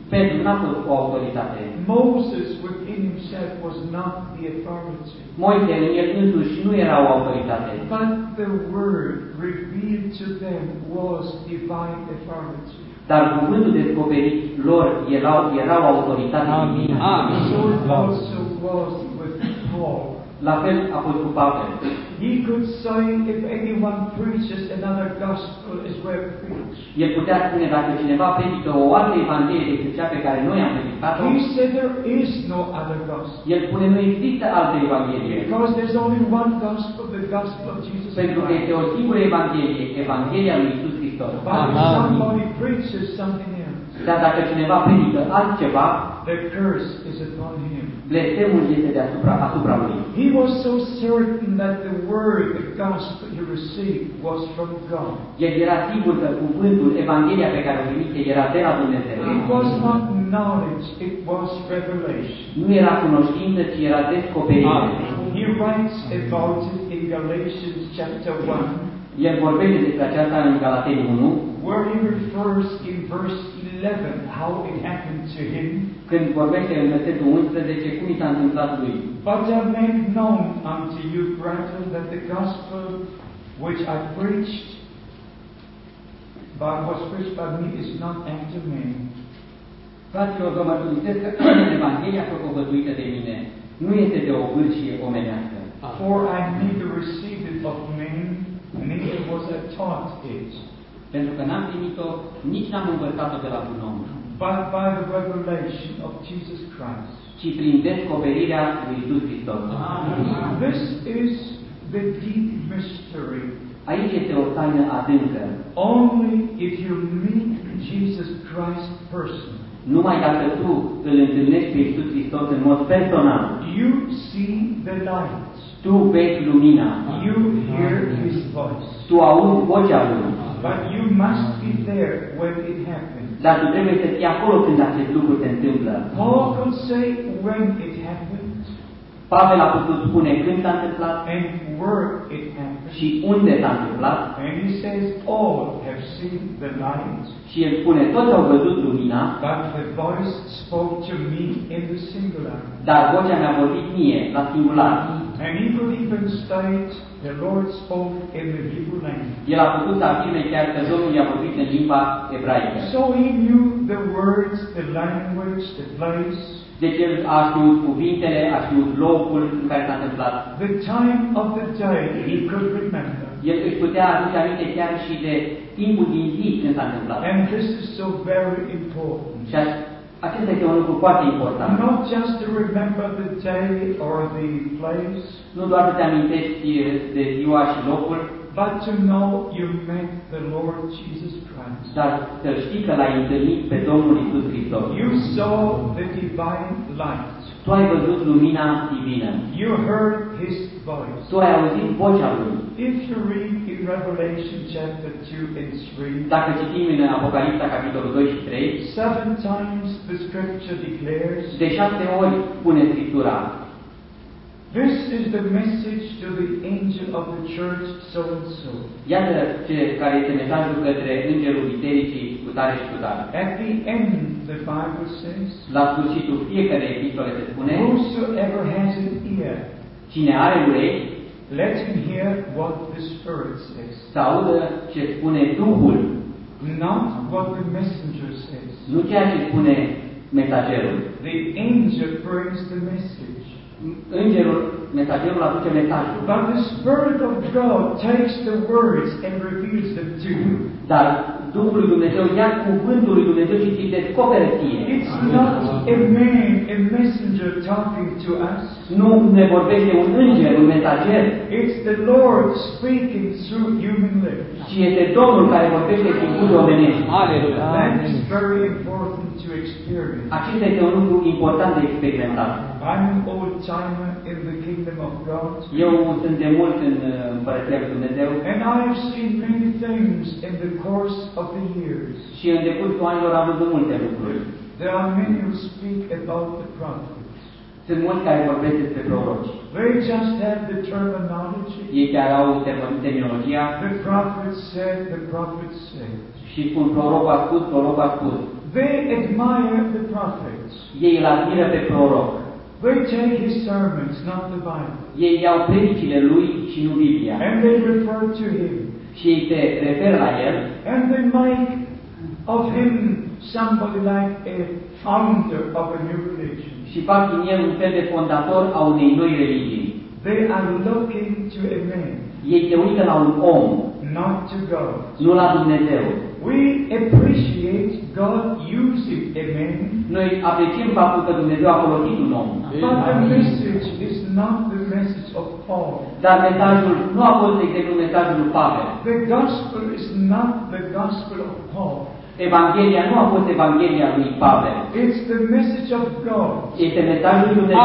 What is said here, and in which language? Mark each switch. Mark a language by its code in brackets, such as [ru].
[ro] Pentru n-a fost o autoritate. [en] Moses within himself was not the authority. [ro] Moise în el însuși nu era o autoritate. [en] But the word revealed to them was divine authority. [ro] Dar cuvântul descoperit lor era o autoritate. Amin. Amin. [en] So also was with Paul. [ro] La fel a fost cu Pavel. [en] He could say if anyone preaches another gospel is where to preach. [ro] El putea spune dacă cineva predică o altă evanghelie decât cea pe care noi am predicat-o. [en] He said there is no other gospel. [ro] El spune nu există altă evanghelie. [en] Because there's only one gospel, the gospel of Jesus Christ. [ro] Pentru că este o singură evanghelie, evanghelia lui Iisus Hristos. [en] But if somebody preaches something else. [ro] Dar dacă cineva predică altceva, [en] the curse is upon him. [ro] Blestemul este asupra lui. [en] He was so certain that the word, the gospel he received, was from God. [ro] El era sigur că cuvântul, evanghelia pe care o primise era de la Dumnezeu. [en] It was not knowledge, it was revelation. [ro] Nu era cunoștință, ci era descoperire. [en] He writes about it in Galatians chapter 1. [ro] El vorbește despre aceasta în Galateni 1. [en] Where he refers in verse 11 how it happened to him. [ro] Când vorbește în versetul 11 cum i s-a întâmplat lui. [en] But I have made known unto you, brethren, that the gospel which I preached but was preached by me is not unto men. [ro] Fraților, vă mărturisesc că Evanghelia propovăduită de mine nu este de o vârșie omenească. [en] For I neither received it of men, neither was I taught it. [ro] Pentru că n-am primit-o, nici n-am învățat-o de la un om. [en] But by the revelation of Jesus Christ. [ro] Ci prin descoperirea lui Iisus Hristos. [en] This is the deep mystery. [ro] Aici este o taină adâncă. [en] Only if you meet Jesus Christ personally. [ro] Numai dacă tu îl întâlnești pe Iisus Hristos în mod personal. [en] You see the light. [ro] Tu vezi lumina. [en] You hear his voice. [ro] Tu auzi vocea lui. [en] But you must be there when it happens. [ro] Dar tu trebuie să fii acolo când acest lucru se întâmplă. [en] Paul can say when it happened. [ro] Pavel a putut spune când s-a întâmplat. [en] And where it happened. [ro] Și unde s-a întâmplat. [en] And he says all have seen the light. [ro] Și el spune toți au văzut lumina. [en] But the voice spoke to me in the singular. [ro] Dar vocea mi-a vorbit mie la singular. [en] And he could even state the Lord spoke in the Hebrew language. [ro] El a putut afirma chiar că Domnul i-a vorbit în limba ebraică. [en] So he knew the words, the language, the place. [ro] Deci el a știut cuvintele, a știut locul în care s-a întâmplat. [en] The time of the day he could remember. [ro] El își putea aduce aminte chiar și de timpul din zi când s-a întâmplat. [en] And this is so very important. [ro] Acesta este un lucru foarte important. [en] Not just to remember the day or the place. [ro] Nu doar să te amintești de ziua și locul. [en] But to know you met the Lord Jesus Christ. [ro] Dar să știi că l-ai întâlnit pe Domnul Iisus Hristos. [en] You saw the divine light. [ro] Tu ai văzut lumina divină. [en] You heard his voice. [ro] Tu ai auzit vocea lui. [en] If you read in Revelation chapter 2 and 3. [ro] Dacă citim în Apocalipsa capitolul 2 și 3. [en] Seven times the scripture declares. [ro] De șapte ori spune Scriptura. [en] This is the message to the angel of the church so and so. [ro] Iată ce care este mesajul către îngerul bisericii cu tare și cu tare. [en] At the end, the Bible says, [ro] la sfârșitul fiecărei epistole se spune, [en] whosoever has an ear, [ro] cine are urechi, [en] let him hear what the Spirit says. [ro] Să audă ce spune Duhul. [en] Not what the messenger says. [ro] Nu ceea ce spune mesagerul. [en] The angel brings the message. [ro] Îngerul, mesagerul aduce mesajul. [en] But the Spirit of God takes the words and reveals them to you. [ro] Dar Duhul lui Dumnezeu ia cuvântul lui Dumnezeu și îi descoperă ție. [en] It's not a man, a messenger talking to us. [ro] Nu ne vorbește un înger, un mesager. [en] It's the Lord speaking through human lips. [ro] Și este Domnul care vorbește prin gura omenească. Aleluia. [en] That is very important to experience. [ro] Acesta este un lucru important de experimentat. [en] I'm an old timer in the kingdom of God. [ro] Eu sunt de mult în împărăția lui Dumnezeu. [en] And I have seen many things in the course of the years. [ro] Și în decursul anilor am văzut multe lucruri. [en] There are many who speak about the prophets. [ro] Sunt mulți care vorbesc despre proroci. [en] They just have the terminology. [ro] Ei chiar au terminologia. [en] The prophet said, the prophet said. [ro] Și spun prorocul a spus, prorocul a spus. [en] They admire the prophets. [ro] Ei îl admiră pe proroc. [en] They take his sermons, not the Bible. [ro] Ei iau predicile lui și nu Biblia. [en] And they refer to him. [ro] Și ei te refer la el. [en] And they make of him somebody like a founder of a new religion. [ro] Și fac din el un fel de fondator a unei noi religii. [en] They are looking to a man. [ro] Ei te uită la un om. [en] Not to God. [ro] Nu la Dumnezeu. [en] We appreciate God using a man. [ro] Noi apreciem faptul că Dumnezeu a folosit un om. [en] But the message is not the message of Paul. [ro] Dar mesajul nu a fost exact mesajul lui Pavel. [en] The gospel is not the gospel of Paul. [ro] Evanghelia nu a fost evanghelia lui Pavel. [en] It's the message of God. [ro] Este mesajul lui Dumnezeu.